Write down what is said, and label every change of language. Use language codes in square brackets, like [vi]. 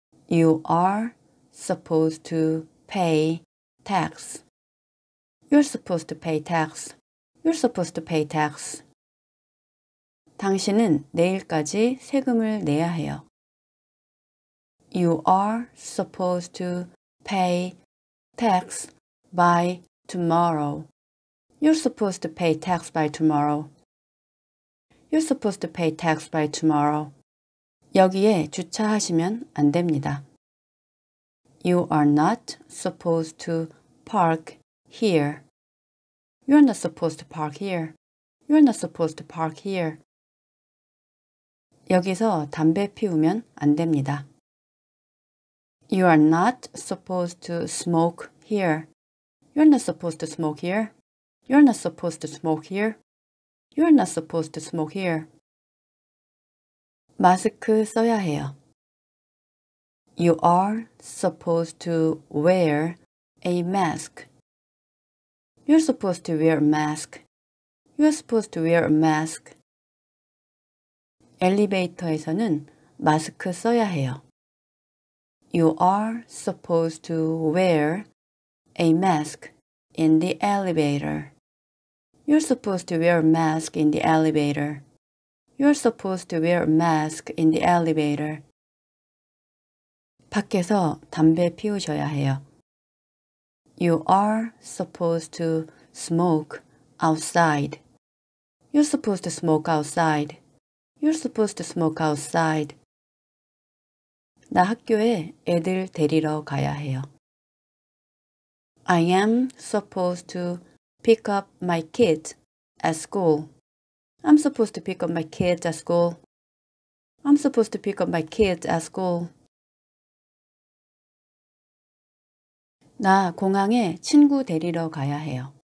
[en] You are supposed to pay tax. You're supposed to pay tax. You're supposed to pay tax. [ko] 당신은 내일까지 세금을 내야 해요. [en] You are supposed to pay tax by tomorrow. You're supposed to pay tax by tomorrow. You're supposed to pay tax by tomorrow. [ko] 여기에 주차하시면 안 됩니다. [en] You are not supposed to park here. You're not supposed to park here. You're not supposed to park here. [ko] 여기서 담배 피우면 안 됩니다. [en] You are not supposed to smoke here. You're not supposed to smoke here. You're not supposed to smoke here. You're not supposed to smoke here. [ko] 마스크 써야 해요. [en] You are supposed to wear a mask. You're supposed to wear a mask. You're supposed to wear a mask. [ko] 엘리베이터에서는 마스크 써야 해요. [en] You are supposed to wear a mask in the elevator. You're supposed to wear a mask in the elevator. You're supposed to wear a mask in the elevator. [ko] 밖에서 담배 피우셔야 해요. [en] You are supposed to smoke outside. You're supposed to smoke outside. You're supposed to smoke outside. [ko] 나 학교에 애들 데리러 가야 해요. [en] I am supposed to pick up my kids at school. I'm supposed to pick up my kids at school. I'm supposed to pick up my kids at school. [ko] 나 공항에 친구 데리러 가야 해요.